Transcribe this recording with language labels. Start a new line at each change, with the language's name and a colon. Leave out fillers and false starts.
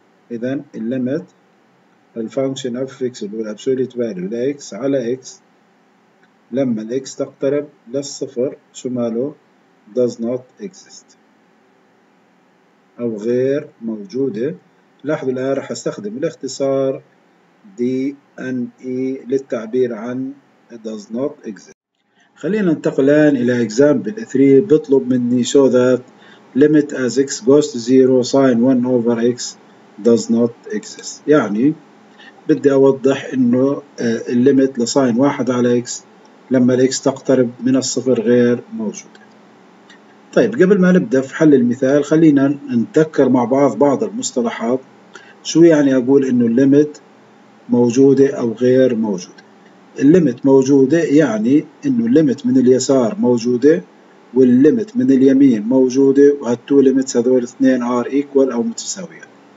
Arabic: إذا الليمت الفانكشن f x اللي هو absolute value ل x على x لما ال x تقترب للصفر شو ماله؟
English: does not exist
Arabic: أو غير موجودة. لاحظوا الآن راح أستخدم الاختصار DNE للتعبير عن
English: does not exist.
Arabic: خلينا ننتقل الآن إلى example 3. بطلب مني
English: show that limit as x goes to 0 sin 1 over x does not exist.
Arabic: يعني بدي أوضح إنه الليمت لساين 1 على x لما x تقترب من الصفر غير موجودة. طيب قبل ما نبدأ في حل المثال خلينا نتذكر مع بعض بعض المصطلحات. شو يعني أقول إنه الليمت موجودة أو غير موجودة؟ الليمت موجودة يعني انه الليمت من اليسار موجودة والليمت من اليمين موجودة، وهالتو ليمتس هذول اثنين ار ايكوال او متساويات.